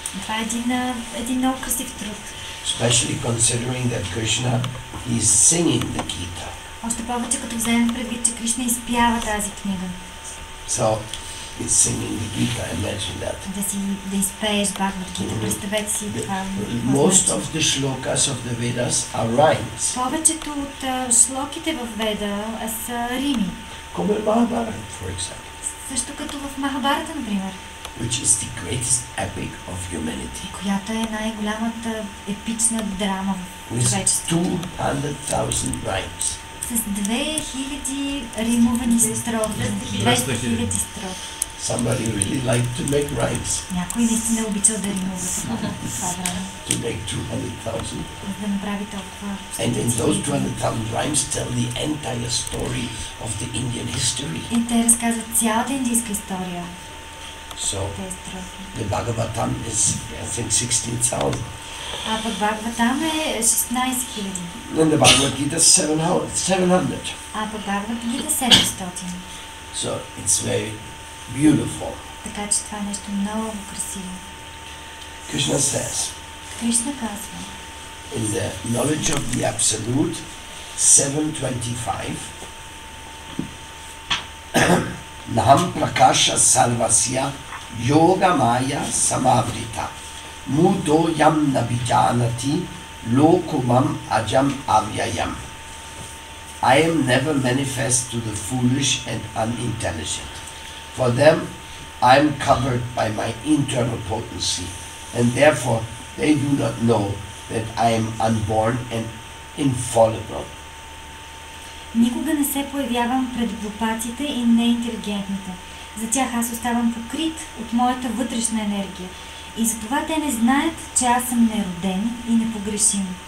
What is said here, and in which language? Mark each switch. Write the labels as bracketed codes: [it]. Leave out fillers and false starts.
[bg] Това е един много красив труд. [en] Especially considering that Krishna is singing the Gita. [bg] Още повече като вземем предвид, че Кришна изпява тази книга. [en] So, he's singing the Gita. Imagine that. [bg] Да изпееш Бхагавад Гита. Представете си това. [en] Most of the shlokas of the Vedas are rhymes. [bg] Повечето от шлоките в Веда са рими. [es] Como el [en] Mahabharata, for example. [bg] Също като в Махабарата, например. [en] Which is the greatest epic of humanity. [bg] Която е най-голямата епична драма в човечеството. [en] 200,000 rhymes. [bg] С 2000 римовани строфи. [en] Somebody really liked to make rhymes. [bg] Някой наистина обичал да римува. [en] To make 200,000. [bg] Да направи толкова. [en] And in those 200,000 rhymes tell the entire story of the Indian history. [bg] И те разказват цялата индийска история. [en] So, the Bhagavatam is, I think, 16,000. [bg] А в Бхагаватам е 16,000. [en] And the Bhagavad Gita is 700. [bg] А в Бхагавад Гита 700. [en] So, it's very beautiful. [bg] Така че това е нещо много красиво. [en] Krishna says, [bg] Krishna казва, [en] in the knowledge of the Absolute, [sa] 725, Naham prakasha salvasya yoga maya samavrita mudo yam nabijanati lokumam ajam avyayam. [en] I am never manifest to the foolish and unintelligent. For them, I am covered by my internal potency, and therefore they do not know that I am unborn and infallible. [bg] Никога не се появявам пред глупаците и неинтелигентните. За тях аз оставам покрит от моята вътрешна енергия. И затова те не знаят, че аз съм нероден и непогрешим.